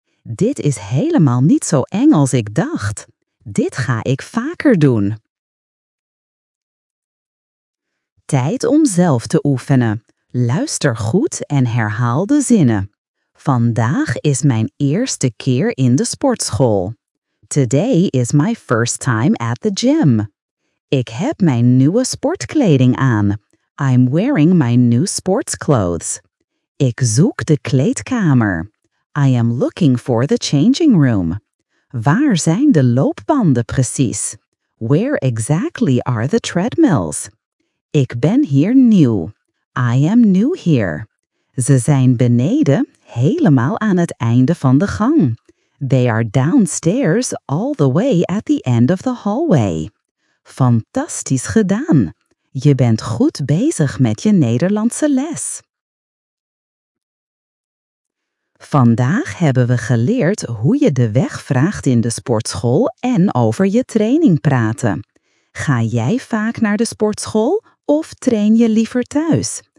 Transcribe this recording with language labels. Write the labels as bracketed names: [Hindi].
[Dutch] Dit is helemaal niet zo eng als ik dacht. Dit ga ik vaker doen. Tijd om zelf te oefenen. Luister goed en herhaal de zinnen. Vandaag is mijn eerste keer in de sportschool. [English] Today is my first time at the gym. [Dutch] Ik heb mijn nieuwe sportkleding aan. [English] I'm wearing my new sports clothes. [Dutch] Ik zoek de kleedkamer. [English] I am looking for the changing room. [Dutch] Waar zijn de loopbanden precies? [English] Where exactly are the treadmills? [Dutch] Ik ben hier nieuw. [English] I am new here. [Dutch] Ze zijn beneden, helemaal aan het einde van de gang. [English] They are downstairs all the way at the end of the hallway. [Dutch] Fantastisch gedaan! Je bent goed bezig met je Nederlandse les. Vandaag hebben we geleerd hoe je de weg vraagt in de sportschool en over je training praten. Ga jij vaak naar de sportschool of train je liever thuis?